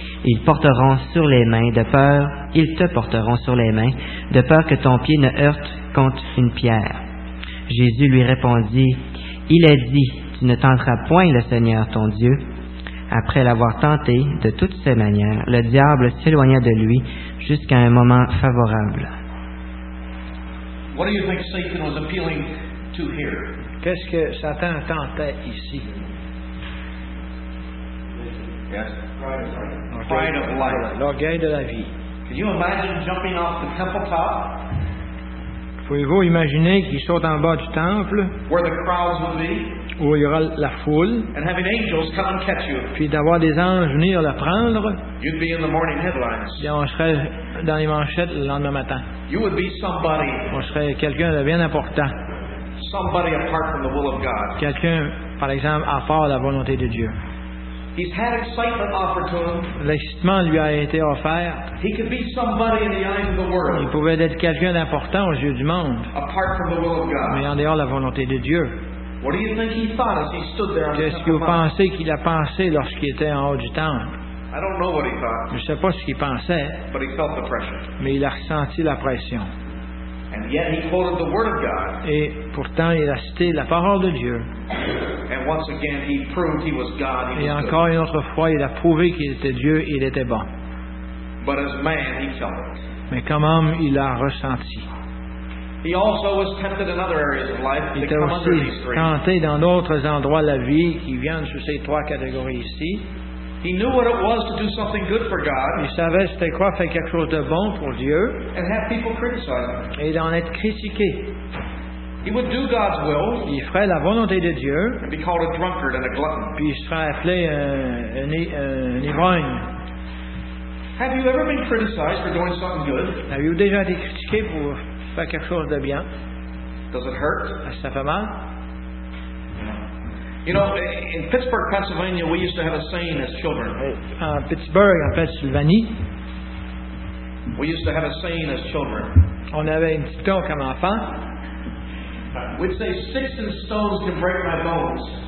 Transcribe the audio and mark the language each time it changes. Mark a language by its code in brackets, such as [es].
[fr] ils porteront sur les mains de peur, ils te porteront sur les mains, de peur que ton pied ne heurte contre une pierre. » Jésus lui répondit, « Il est dit, tu ne tenteras point le Seigneur ton Dieu. » Après l'avoir tenté de toutes ses manières, le diable s'éloigna de lui jusqu'à un moment favorable. [en] What do you think Satan was appealing to here? [fr] Qu'est-ce que Satan tentait ici? [en] Yes. Pride of life. [fr] L'orgueil de la vie. [en] Can you imagine jumping off the temple top? [fr] Pouvez-vous imaginer qu'il saute en bas du temple? [en] Where the crowds would be? [fr] Où il y aura la foule, [en] and having angels come and catch you. [fr] Puis d'avoir des anges venir la prendre, [en] you'd be in the morning headlines. [fr] Et on serait dans les manchettes le lendemain matin. [en] You would be somebody, [fr] on serait quelqu'un de bien important. [en] Somebody apart from the will of God. [fr] Quelqu'un, par exemple, à part la volonté de Dieu. [en] He's had excitement offered to him. [fr] L'excitement lui a été offert. [en] He could be somebody in the eyes of the world. [fr] Il pouvait être quelqu'un d'important aux yeux du monde, [en] apart from the will of God. [fr] Mais en dehors de la volonté de Dieu. [en] What do you think he thought as he stood there? [fr] Qu'est-ce que vous pensez qu'il a pensé lorsqu'il était en haut du temple? [en] I don't know what he thought. [fr] Je ne sais pas ce qu'il pensait. [en] But he felt the pressure. [fr] Mais il a ressenti la pression. [en] And yet he quoted the word of God. [fr] Et pourtant il a cité la parole de Dieu. [en] And once again he proved he was God. [fr] Et encore une autre fois il a prouvé qu'il était Dieu et il était bon. [en] But as man he felt it. [fr] Mais comme homme il l'a ressenti. [en] He also was tempted in other areas of life. [fr] Il était aussi tenté dans d'autres endroits de la vie qui viennent sous ces trois catégories ici. [en] He knew what it was to do something good for God. [fr] Il savait c'était quoi faire quelque chose de bon pour Dieu. [en] And have people criticize him. [fr] Et d'en être critiqué. [en] He would do God's will. [fr] Il ferait la volonté de Dieu. [en] And be called a drunkard and a glutton. [fr] Puis il serait appelé un ivrogne. [en] Have you ever been criticized for doing something good? [fr] Avez-vous déjà été critiqué pour faire quelque chose de bien? [en] Does it hurt? [fr] Ça fait mal? [en] You know, in Pittsburgh, Pennsylvania, we used to have a saying as children. [fr] Pittsburgh, en Pennsylvanie, [en] we used to have a saying as children. [fr] On avait une citation comme enfant. [en] We'd say, sticks and stones can break my bones.